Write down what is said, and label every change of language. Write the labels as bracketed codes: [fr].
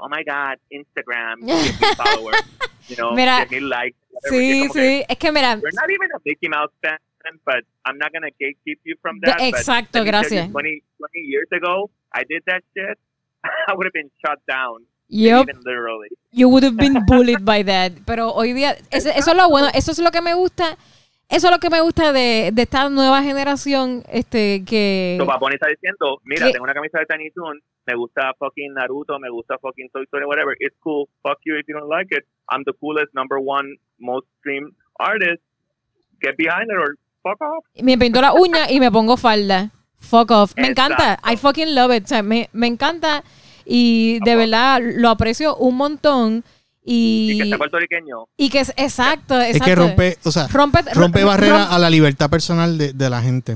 [en] Oh my God, Instagram, give me followers, you know, mira, give me likes. [es] Sí, sí, que, es que mira. [en] We're not even a Mickey Mouse fan, but I'm not gonna gatekeep you from that. [es] Exacto, gracias. [en] 20 years ago, I did that shit, I would have been shut down. Yep. You would have been bullied by that. [es] Pero hoy día, eso es lo bueno, eso es lo que me gusta. Eso es lo que me gusta de esta nueva generación, que... Tu papón está diciendo, mira, tengo una camisa de Tiny Toon, me gusta fucking Naruto, me gusta fucking Toy Story, whatever. [en] It's cool, fuck you if you don't like it. I'm the coolest, number one, most streamed artist. Get behind it or fuck off. [es] Me pinto la uña y me pongo falda. [en] Fuck off. [es] Me encanta. Exacto. [en] I fucking love it. [es] O sea, me encanta y de verdad lo aprecio un montón. Y que sea puertorriqueño. Y que es exacto. Es que rompe barrera a la libertad personal de la gente.